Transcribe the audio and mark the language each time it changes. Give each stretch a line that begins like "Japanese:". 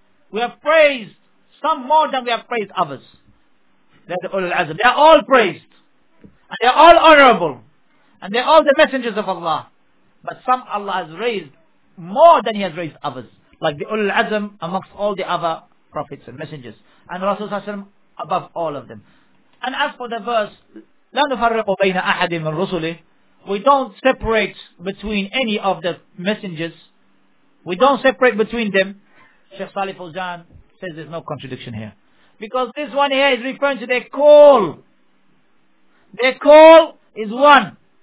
English: We have praised some more than we have praised others. They are all praised. And they are all honorable. And they are all the messengers of Allah. But some Allah has raised more than He has raised others. Like the Ulul Azm amongst all the other prophets and messengers. And Rasulullah above all of them. And as for the verse,
Arabic: لَا نُفَرِّقُ بَيْنَ أَحَدٍ مِنْ رُسُلِهِ.
English: We don't separate between any of the messengers. We don't separate between them. Sheikh Salih Fawzan says there's no contradiction here. Because this one here is referring to their call. Their call is one.